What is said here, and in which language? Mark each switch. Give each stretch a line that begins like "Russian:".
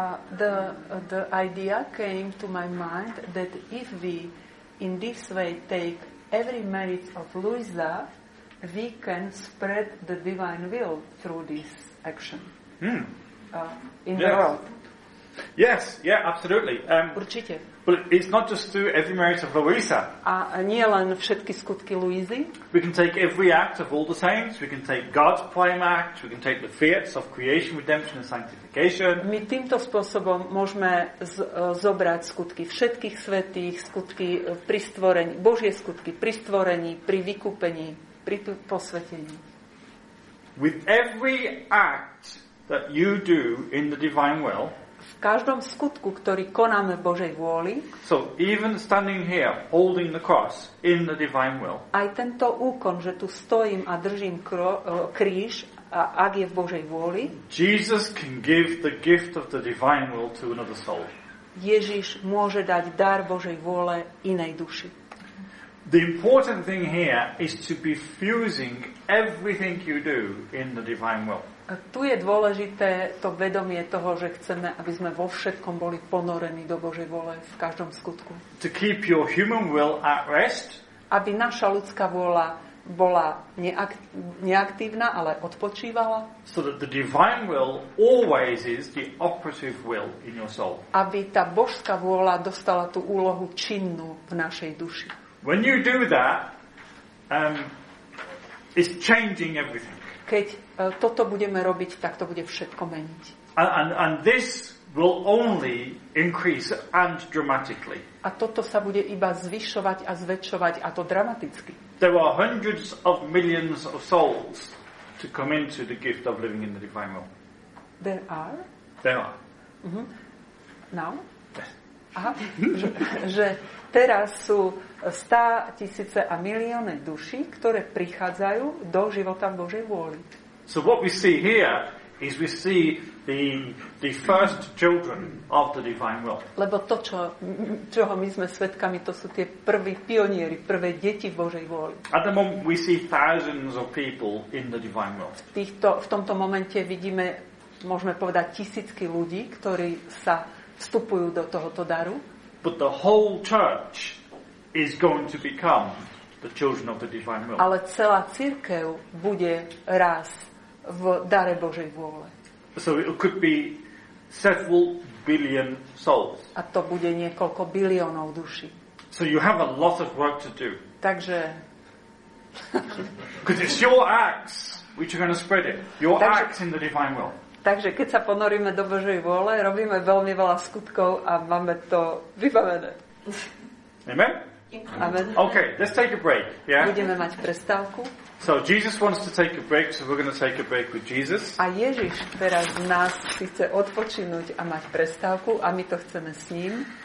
English: The idea came to my mind that if we in this way take every merit of Luisa, we can spread the divine will through this action in the world. Yes, yeah, absolutely.
Slovak: Určite.
English: But it's not just through every merit of Luisa.
Slovak: A nie len všetky skutky Luizy.
English: We can take every act of all the saints. We can take God's prime act. We can take the fiats of creation, redemption and sanctification.
Slovak: My týmto spôsobom môžeme zobrať skutky všetkých svätých, skutky pri stvorení, Božie skutky pri stvorení, pri vykúpení, pri posvetení.
English: With every act that you do in the divine will,
Slovak: v každom skutku, ktorý konáme v Božej vôli,
English: so even standing here holding the cross in the divine will,
Slovak: aj tento úkon, že tu stojím a držím kríž, ak je v Božej vôli,
English: Jesus can give the gift of the divine will to another soul.
Slovak: Ježiš môže dať dar Božej vôle inej duši.
English: The important thing here is to be fusing everything you do in the divine will.
Slovak: A tu je dôležité to vedomie toho, že chceme, aby sme vo všetkom boli ponorení do Božej vôle v každom skutku.
English: To keep your human will at rest,
Slovak: aby naša ľudská vôľa bola neaktívna, ale odpočívala.
English: So that the divine will always is the operative will in your soul.
Slovak: Aby tá božská vôľa dostala tú úlohu činnú v našej duši.
English: When you do that, it's changing everything.
Slovak: Keď toto budeme robiť, tak to bude všetko meniť.
English: And this will only increase and dramatically.
Slovak: A toto sa bude iba zvyšovať a zväčšovať, a to dramaticky.
English: There are hundreds of millions of souls to come into the gift of living in the divine will. There are? There are. Now? Yes.
Slovak: Aha, že teraz sú 100 tisíce a milióny duší, ktoré prichádzajú do života v Božej vôli.
English: So what we see here is we see the first children of the divine will.
Slovak: Lebo to, čoho my sme svedkami, to sú tie prví pionieri, prvé deti Božej vôli.
English: At the moment we see thousands of people in the divine will.
Slovak: V tomto momente vidíme, môžeme povedať, tisícky ľudí, ktorí sa vstupujú do tohoto daru.
English: But the whole church is going to become the children of the divine will.
Slovak: Ale celá cirkev bude raz v dare Božej vôle.
English: So it could be several billion souls.
Slovak: A to bude niekoľko biliónov duší.
English: So you have a lot of work to do.
Slovak: Takže
English: because it's your acts which are going to spread it. Your acts in the divine will.
Slovak: Takže keď sa ponoríme do Božej vôle, robíme veľmi veľa skutkov a máme to vybavené.
English: Amen? Amen. Okay, let's take a break. Yeah?
Slovak: Budeme mať prestávku.
English: So Jesus wants to take a break, so we're going to take a break with Jesus.
Slovak: A Ježiš teraz nás chce odpočinúť a mať prestávku a my to chceme s ním.